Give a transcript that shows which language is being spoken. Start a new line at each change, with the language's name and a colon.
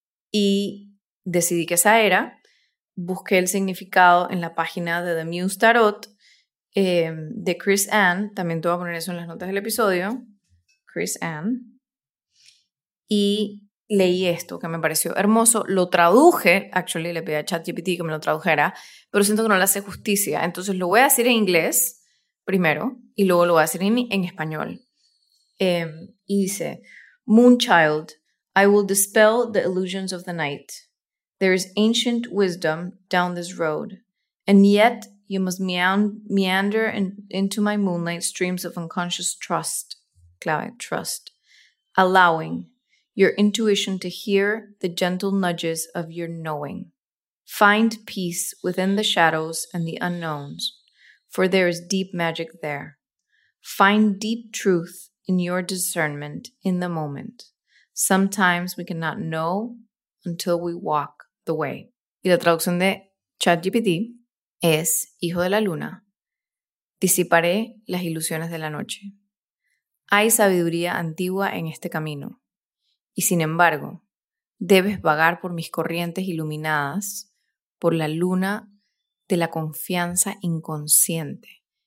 Spanish: Y decidí que esa era, busqué el significado en la página de The Muse Tarot de Chris Ann, también te voy a poner eso en las notas del episodio, Chris Ann, y leí esto que me pareció hermoso, lo traduje,
English: actually
Spanish: le pedí a ChatGPT que me lo tradujera, pero siento que no le hace justicia, entonces lo voy a decir en inglés primero y luego lo voy a decir en español. Y dice,
English: Moonchild, I will dispel the illusions of the night. There is ancient wisdom down this road, and yet you must meander into my moonlight streams of unconscious trust, clave, trust, allowing your intuition to hear the gentle nudges of your knowing. Find peace within the shadows and the unknowns, for there is deep magic there. Find deep truth in your discernment in the moment. Sometimes we cannot know until we walk the way.
Spanish: Y la traducción de ChatGPT es, hijo de la luna, disiparé las ilusiones de la noche. Hay sabiduría antigua en este camino, y sin embargo, debes vagar por mis corrientes iluminadas, por la luna de la confianza inconsciente.